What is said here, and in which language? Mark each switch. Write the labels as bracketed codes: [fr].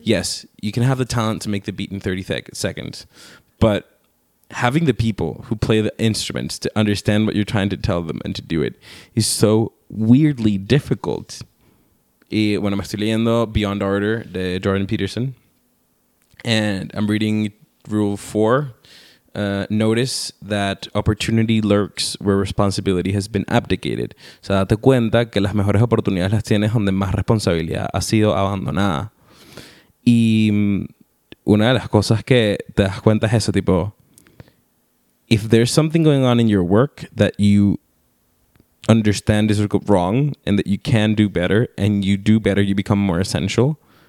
[en] Yes, you can have the talent to make the beat in 30 seconds, but having the people who play the instruments to understand what you're trying to tell them and to do it is so weirdly difficult. [es] Y bueno, me estoy leyendo Beyond Order de Jordan Peterson, [en] and I'm reading Rule 4. Notice that opportunity lurks where responsibility has been abdicated. [es] O sea, date cuenta que las mejores oportunidades las tienes donde más responsabilidad ha sido abandonada. Y una de las cosas que te das cuenta es eso, tipo, [en] if there's something going on in your work that you understand is wrong and that you can do better, and you do better, you become more essential.